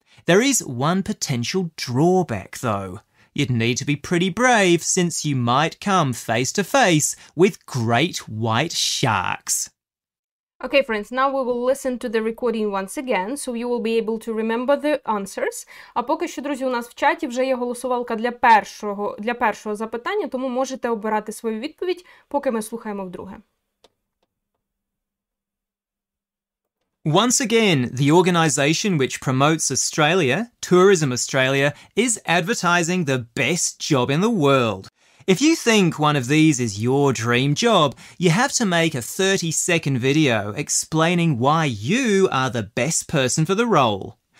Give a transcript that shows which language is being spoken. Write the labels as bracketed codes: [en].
[en] There is one potential drawback, though. You'd need to be pretty brave since you might come face to face with great white sharks. Okay, friends, now we will listen to the recording once again, so you will be able to remember the answers. [uk] А поки що, друзі, у нас в чаті вже є голосувалка для першого запитання, тому можете обирати свою відповідь, поки ми слухаємо вдруге. [en] Once again, the organization which promotes Australia, Tourism Australia, is advertising the best job in the world. If you think one of these is your dream job, you have to make a 30-second video explaining why you are the best person for the role.